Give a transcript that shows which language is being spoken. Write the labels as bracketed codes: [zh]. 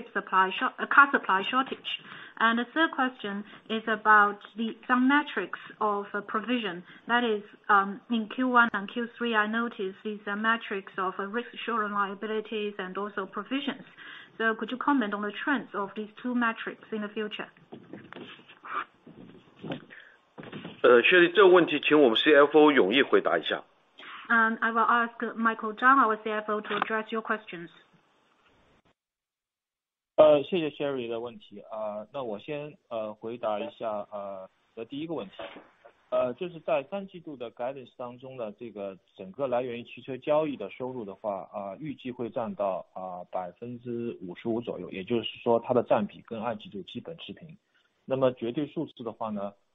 [en] Car supply shortage. And the third question is about some metrics of provision. That is, in Q1 and Q3, I noticed these metrics of risk sharing liabilities and also provisions. So could you comment on the trends of these two metrics in the future? [zh] 谢谢这个问题，请我们 CFO 永毅回答一下。 [en] I will ask Michael Zhang, our CFO, to address your questions. [zh] 谢谢 Sherry 的问题，那我先回答一下第一个问题，就是在三季度的 guidance 当中的这个整个来源于汽车交易的收入的话，预计会占到55%左右，也就是说它的占比跟二季度基本持平，那么绝对数字的话呢？